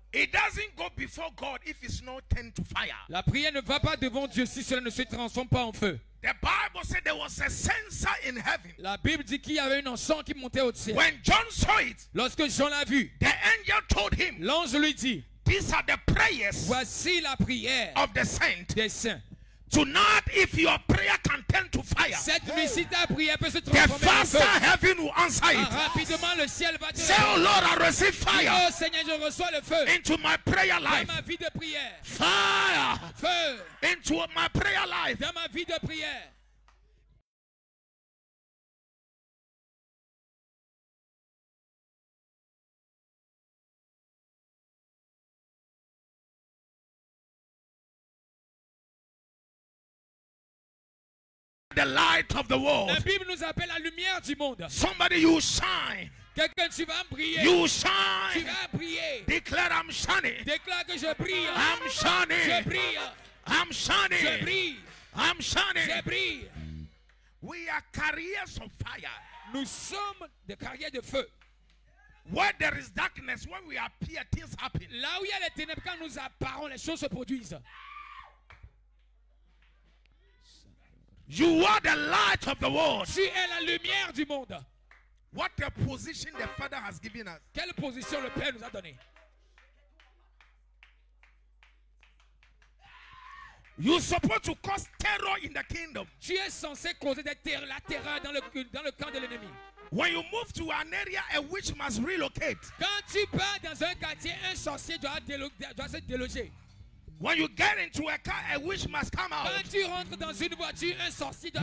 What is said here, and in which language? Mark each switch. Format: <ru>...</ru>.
<en>It doesn't go before God if it's not turned to fire.</en> <fr>La prière ne va pas devant Dieu si cela ne se transforme pas en feu.</fr> <en>The Bible said there was a censer in heaven.</en> <fr>La Bible dit qu'il y avait une encens qui montait au ciel.</fr> <en>When John saw it.</en> <fr>Lorsque Jean l'a vu.</fr> <en>The angel told him.</en> <fr>L'ange lui dit.</fr> <en>These are the prayers.</en> <fr>Voici la prière</fr> <en>of the saint.</en> <fr>Des saints.</fr> <en>Tonight, if your prayer can turn to fire,</en> <fr>cette nuit, si ta prière peut se transformer,</fr> <en>the faster heaven will answer it.</en> <fr>Rapidement, le ciel va te</fr> <en>say, oh Lord, I receive fire.</en> <fr>Oh Seigneur, je reçois le feu</fr> <en>into my prayer life.</en> <fr>Dans ma vie de prière.</fr> <en>Fire.</en> <fr>Feu.</fr> <en>Into my prayer life.</en> <fr>Dans ma vie de prière.</fr> <en>The light of the world.</en> <fr>La Bible nous appelle la lumière du monde.</fr> <en>Somebody, you shine.</en> <fr>Quelqu'un, tu vas briller.</fr> <en>You shine.</en> <fr>Tu vas briller.</fr> <en>Declare, I'm shining.</en> <fr>Déclare que je brille.</fr> <en>I'm shining.</en> <fr>Je brille.</fr> <en>I'm shining.</en> <fr>Je brille.</fr> <en>I'm shining.</en> <fr>Je brille.</fr> <en>We are carriers of fire.</en> <fr>Nous sommes des carrières de feu.</fr> <en>Where there is darkness, when we appear, things happen.</en> <fr>Là où il y a les ténèbres, quand nous apparons, les choses se produisent.</fr> <en>You are the light of the world.</en> <fr>Tu es la lumière du monde.</fr> <en>What a position the Father has given us.</en> <fr>Quelle position le Père nous a donné.</fr> <en>You supposed to cause terror in the kingdom.</en> <fr>Tu es censé causer des terres, la terreur dans le camp de l'ennemi.</fr> <en>When you move to an area, a witch must relocate.</en> <fr>Quand tu pars dans un quartier, un sorcier doit se déloger.</fr> <en>When you get into a car, a witch must come out.</en> <fr>Quand tu rentres dans une voiture, un sorcier doit</fr>